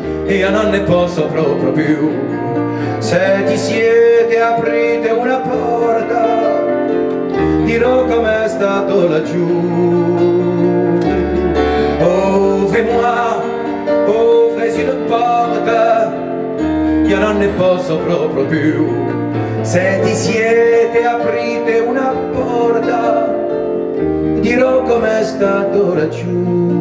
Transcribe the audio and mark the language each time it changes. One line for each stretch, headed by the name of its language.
Italian: Io non ne posso proprio più. Se ti siete, aprite una porta, dirò com'è stato laggiù.
French: Ouvrez-moi, ouvrez une porte.
Italian: Io non ne posso proprio più. Se ti siete, aprite una porta, dirò com'è stato laggiù.